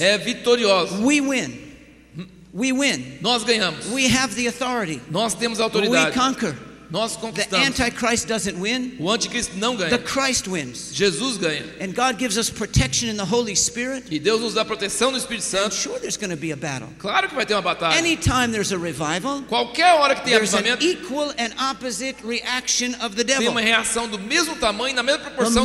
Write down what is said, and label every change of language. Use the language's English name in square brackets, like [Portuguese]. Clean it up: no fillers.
[Portuguese] É vitorioso. [English] We win. We win. [Portuguese] Nós ganhamos. [English] We have the authority. [Portuguese] Nós temos autoridade. [English] We conquer. [Portuguese] Nós conquistamos. [English] The Antichrist doesn't win. [Portuguese] O anticristo não ganha. [English] The Christ wins. [Portuguese] Jesus ganha. [English] And God gives us protection in the Holy Spirit. [Portuguese] E Deus nos dá proteção no Espírito Santo. [English] And sure, there's going to be a battle. [Portuguese] Claro que vai ter uma batalha. [English] Anytime there's a revival, [Portuguese] qualquer hora que tenha avivamento, [English] an equal and opposite reaction of the devil. [Portuguese] Tem uma reação do mesmo tamanho na mesma proporção